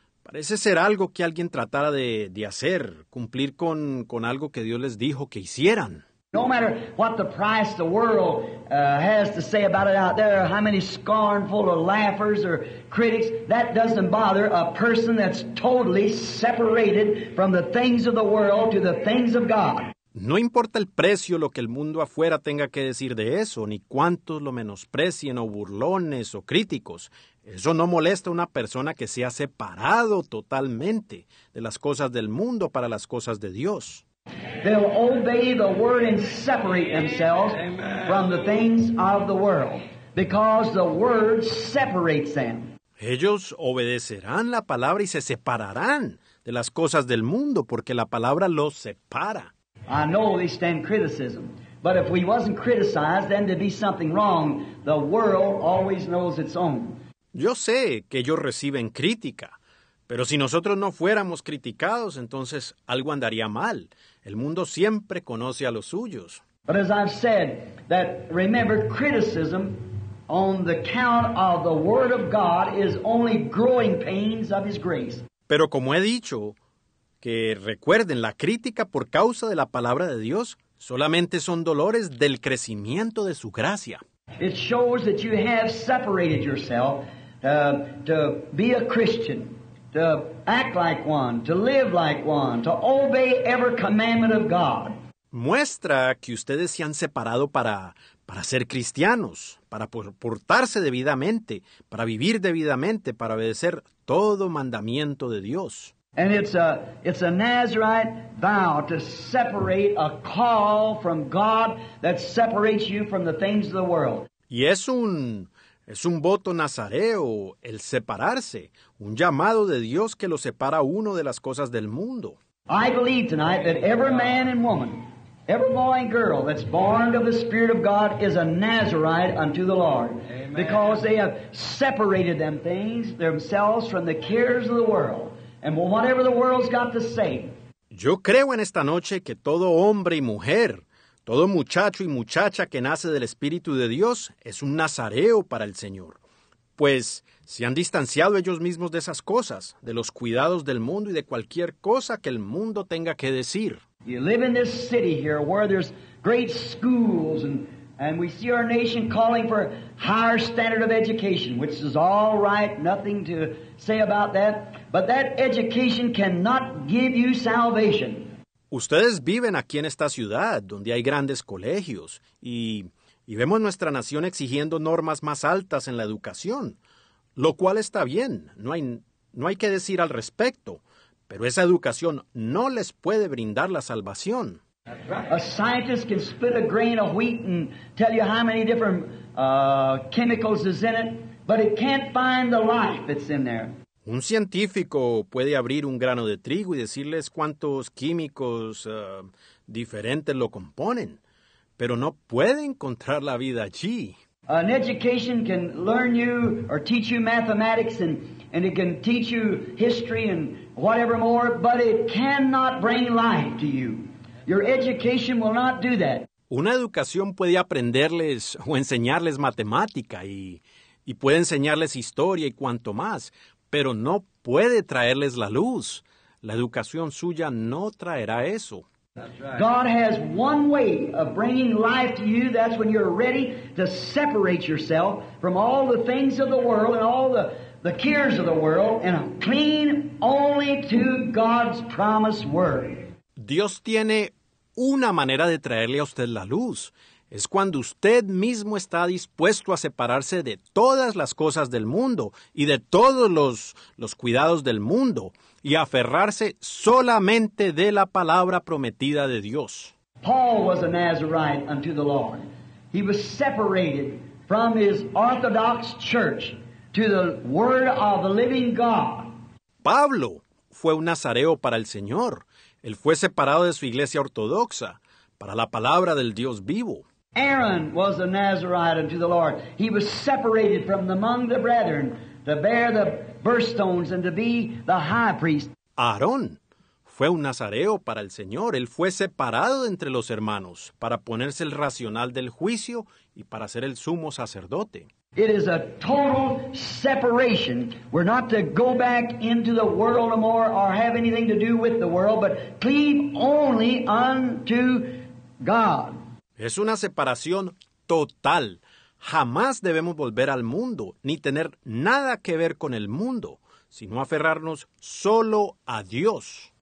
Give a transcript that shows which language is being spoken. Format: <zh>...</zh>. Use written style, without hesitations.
<es>Parece ser algo que alguien tratara de hacer, cumplir con algo que Dios les dijo que hicieran.</es> <en>No matter what the price the world has to say about it out there, how many scornful or laughers or critics, that doesn't bother a person that's totally separated from the things of the world to the things of God.</en> <es>No importa el precio, lo que el mundo afuera tenga que decir de eso, ni cuántos lo menosprecien o burlones o críticos, eso no molesta a una persona que se ha separado totalmente de las cosas del mundo para las cosas de Dios.</es> <en>They'll obey the word and separate themselves from the things of the world. Because the word separates them.</en> <es>Ellos obedecerán la palabra y se separarán de las cosas del mundo porque la palabra los separa.</es> <en>I know they stand criticism. But if we wasn't criticized, then there'd be something wrong. The world always knows its own.</en> <es>Yo sé que ellos reciben crítica, pero si nosotros no fuéramos criticados, entonces algo andaría mal. El mundo siempre conoce a los suyos.</es> <en>But as I've said, that remember, criticism on the count of the Word of God is only growing pains of His grace.</en> <es>Pero como he dicho, que recuerden, la crítica por causa de la palabra de Dios solamente son dolores del crecimiento de su gracia.</es> <en>It shows that you have separated yourself to be a Christian, to act like one, to live like one, to obey every commandment of God.</en> <es>Muestra que ustedes se han separado para ser cristianos, para portarse debidamente, para vivir debidamente, para obedecer todo mandamiento de Dios.</es> <en>And it's a Nazarite vow to separate a call from God that separates you from the things of the world.</en> <es>Y es un voto nazareo, el separarse, un llamado de Dios que lo separa uno de las cosas del mundo.</es> <en>I believe tonight that every man and woman, every boy and girl that's born of the Spirit of God is a Nazarite unto the Lord. Amen. Because they have separated them things themselves from the cares of the world. And whatever the world's got to say.</en> <es>Yo creo en esta noche que todo hombre y mujer, todo muchacho y muchacha que nace del Espíritu de Dios es un nazareo para el Señor. Pues se han distanciado ellos mismos de esas cosas, de los cuidados del mundo y de cualquier cosa que el mundo tenga que decir.</es> <en>You live in this city here where there's great schools and we see our nation calling for higher standard of education, which is all right, nothing to say about that. But that education cannot give you salvation.</en> <es>Ustedes viven aquí en esta ciudad donde hay grandes colegios y vemos nuestra nación exigiendo normas más altas en la educación, lo cual está bien, no hay que decir al respecto, pero esa educación no les puede brindar la salvación.</es> <en>A scientist can split a grain of wheat and tell you how many different chemicals is in it, but it can't find the life that's in there.</en> <es>Un científico puede abrir un grano de trigo y decirles cuántos químicos diferentes lo componen, pero no puede encontrar la vida allí.</es> <en>An education can learn you or teach you mathematics and it can teach you history and whatever more, but it cannot bring life to you. Your education will not do that.</en> <es>Una educación puede aprenderles o enseñarles matemática y puede enseñarles historia y cuanto más, pero no puede traerles la luz. La educación suya no traerá eso.</es> <en>God has one way of bringing life to you. That's when you're ready to separate yourself from all the things of the world and all the cares of the world and cling only to God's promised word.</en> <es>Dios tiene una manera de traerle a usted la luz. Es cuando usted mismo está dispuesto a separarse de todas las cosas del mundo y de todos los cuidados del mundo y aferrarse solamente de la palabra prometida de Dios.</es> <en>Paul was a Nazarite unto the Lord. He was separated from his orthodox church to the word of the living God.</en> <es>Pablo fue un nazareo para el Señor. Él fue separado de su iglesia ortodoxa para la palabra del Dios vivo.</es> <en>Aaron was a Nazarite unto the Lord. He was separated from among the brethren to bear the birthstones and to be the high priest.</en> <es>Aarón fue un nazareo para el Señor. Él fue separado entre los hermanos para ponerse el racional del juicio y para ser el sumo sacerdote.</es> <en>It is a total separation. We're not to go back into the world no more or have anything to do with the world, but cleave only unto God.</en> <es>Es una separación total. Jamás debemos volver al mundo, ni tener nada que ver con el mundo, sino aferrarnos solo a Dios.</es>